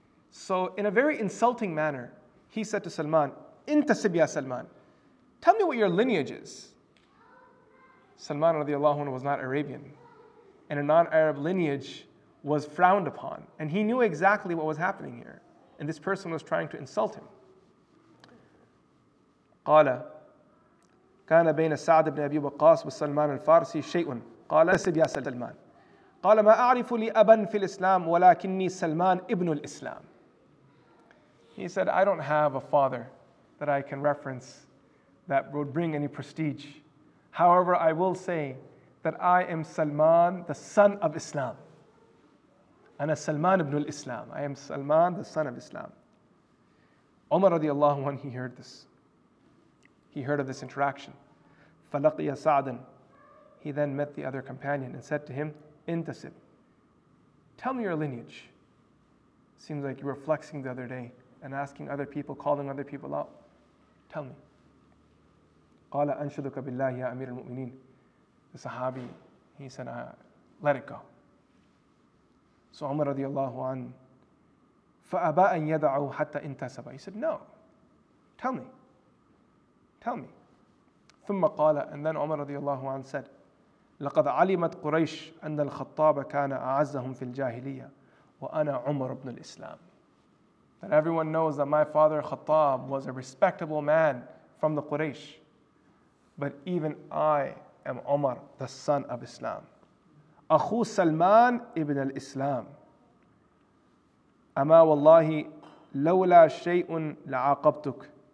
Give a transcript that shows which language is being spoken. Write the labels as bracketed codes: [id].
[en] So in a very insulting manner, he said to Salman, "Intasib ya Salman, tell me what your lineage is." Salman radiallahu anhu was not Arabian. and a non-Arab lineage was frowned upon. And he knew exactly what was happening here. And this person was trying to insult him. [ar] قال كان بين سعد بن أبي وقاص وسلمان الفارسي شيء قال سب يا سلمان قال ما أعرف لي أبا في الإسلام ولكني سلمان ابن الإسلام. [en] He said, I don't have a father that I can reference that would bring any prestige. However, I will say that I am Salman, the son of Islam. أنا سلمان ابن الإسلام. I am Salman, the son of Islam. Umar radiallahu anhu, he heard this. He heard of this interaction. [ar] فَلَقِيَ سَعْدًا. [en] He then met the other companion and said to him, انتسب. Tell me your lineage. Seems like you were flexing the other day and asking other people, calling other people out. [ar] Tell me. قَالَ أَنْشَدُكَ بِاللَّهِ يَا أَمِيرَ الْمُؤْمِنِينَ. [en] The Sahabi, he said, let it go. [ar] So Umar radiallahu anhu, فَأَبَىٰ أَنْ يَدَعُوا حَتَّى انْتَسَبَ. [en] He said, no. Tell me. Tell me. ثُمَّ قَالَ. [ar] And then Umar radiallahu anhu said, لَقَدْ عَلِمَتْ قُرَيْشِ أَنَّ الْخَطَّابَ كَانَ أَعَزَّهُمْ فِي الْجَاهِلِيَّةِ وَأَنَا عُمَرُ بْنُ الْإِسْلَامِ. [en] That everyone knows that my father Khattab was a respectable man from the Quraysh. But even I am Umar, the son of Islam. [ar] أَخُو سَلْمَان ابْنَ الْإِسْلَامِ. أَمَا وَاللَّهِ لَوْلَا شَيْءٌ لَعَاقَبْتُكَ.